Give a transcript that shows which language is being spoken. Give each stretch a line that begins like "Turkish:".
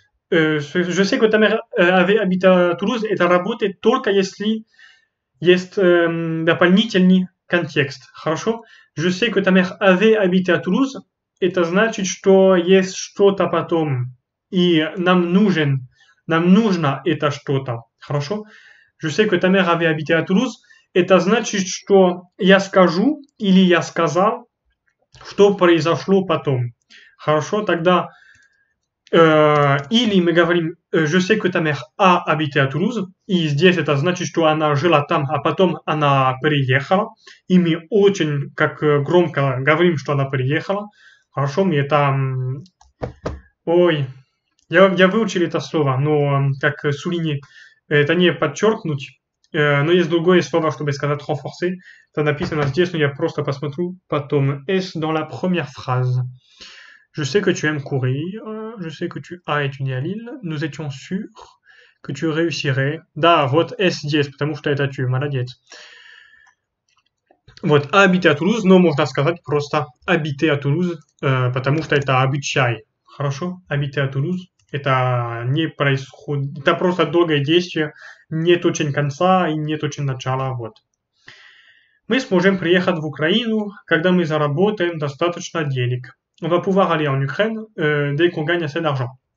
French: Je sais que ta mère avait habité à Toulouse.
Russian: Это работает только если есть дополнительный контекст. Хорошо?
French: Je sais que ta mère avait habité à Toulouse.
Russian: Это значит, что есть что-то потом. И нам нужно это что-то. Хорошо?
French: Je sais que ta mère avait habité à Toulouse.
Russian: Это значит, что я скажу или я сказал, что произошло потом. Хорошо, тогда или мы говорим
French: «Je sais que ta mère a habité à Toulouse».
Russian: И здесь это значит, что она жила там, а потом она переехала. И мы очень как громко говорим, что она переехала. Хорошо, мне это... Ой, я выучил это слово, но как сулини, это не подчеркнуть. Но есть другое слово, чтобы сказать «renforcer». Это написано здесь, но я просто посмотрю потом.
French: «Est» dans la première phrase. «Je sais que tu aimes courir. Je sais que tu as étudié à Lille. Nous étions sûrs que tu réussirais. »
Russian: Да, вот «est» здесь, потому что это «tu». Молодец. Вот
French: «habiter à Toulouse»,
Russian: но можно сказать просто «habiter à Toulouse», потому что это «обучай». Хорошо? «Habiter à Toulouse». Это не происходит, это просто долгое действие, нет очень конца и нет очень начала, вот. Мы сможем приехать в Украину, когда мы заработаем достаточно денег.
French: On va pouvoir aller en Ukraine, dès qu'on gagne assez d'argent.